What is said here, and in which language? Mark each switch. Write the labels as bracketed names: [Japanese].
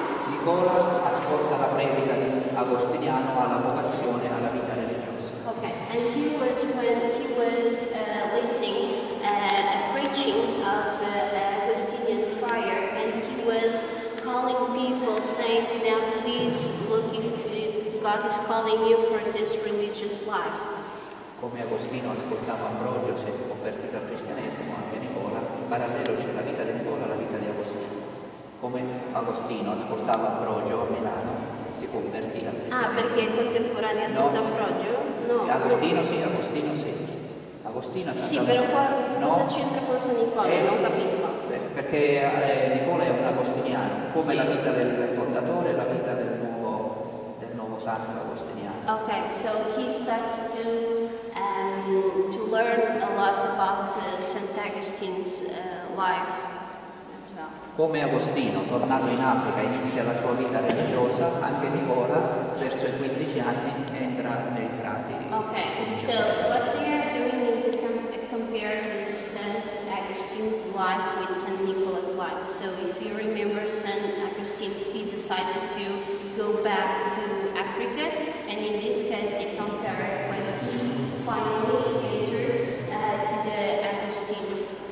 [Italian] Nicola ascolta la predica di Agostiniano alla vocazione alla vita religiosa. [English] Okay, and he was when he was listening a preaching of the Agostinian friar, and he was calling people, saying to them, please look if God is calling you for this religious life. [Italian] Come Agostino ascoltava Ambrogio, si è coperto dal cristianesimo, anche Nicola, in parallelo c'è la vita di Nicola e la vita di Agostino. Come Agostino ascoltava Ambrogio a Milano, si convertì al cristianesimo. Ah, perché è contemporanea a Sant'Ambrogio? No. Agostino sì. Agostino sì, però qua cosa c'entra con San Nicola? Non capisco. Perché Nicola è un agostiniano, come la vita del fondatore, la vita del nuovo santo agostiniano. [English] Ok, so he starts to learn a lot about Saint Augustine's life. [Italian] Come Agostino, tornato in Africa, inizia la sua vita religiosa, anche Nicola, verso i 15 anni, entra nei frati. [English] Okay, so what they are doing is compare Saint Augustine's life with Saint Nicholas' life. So if you remember Saint Augustine, he decided to go back to Africa, and in this case they compare it when he finally entered to the Augustine's